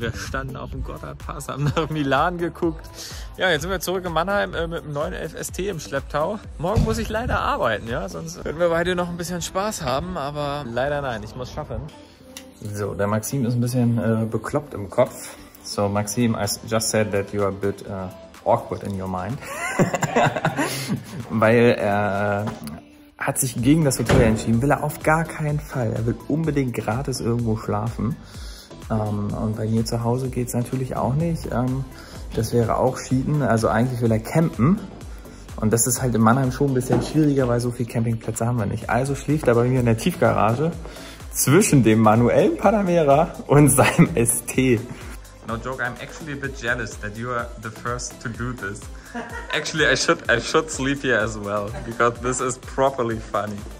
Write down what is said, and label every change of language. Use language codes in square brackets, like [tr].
[de] Wir standen auf dem Gotthardpass, haben nach Milan geguckt. Ja, jetzt sind wir zurück in Mannheim mit dem 911 ST im Schlepptau. Morgen muss ich leider arbeiten, ja, sonst würden wir beide noch ein bisschen Spaß haben, aber leider nein, ich muss schaffen. So, der Maxim ist ein bisschen bekloppt im Kopf. [en] So, Maxim, I just said that you are a bit awkward in your mind. [de] Weil er hat sich gegen das Hotel entschieden, will er auf gar keinen Fall. Er will unbedingt gratis irgendwo schlafen. Und bei mir zu Hause geht es natürlich auch nicht. Das wäre auch Cheaten. Also eigentlich will er campen. Und das ist halt in Mannheim schon ein bisschen schwieriger, weil so viele Campingplätze haben wir nicht. Also schläft er bei mir in der Tiefgarage zwischen dem manuellen Panamera und seinem ST. [en] No joke, I'm actually a bit jealous that you are the first to do this. Actually, I should sleep here as well, because this is properly funny.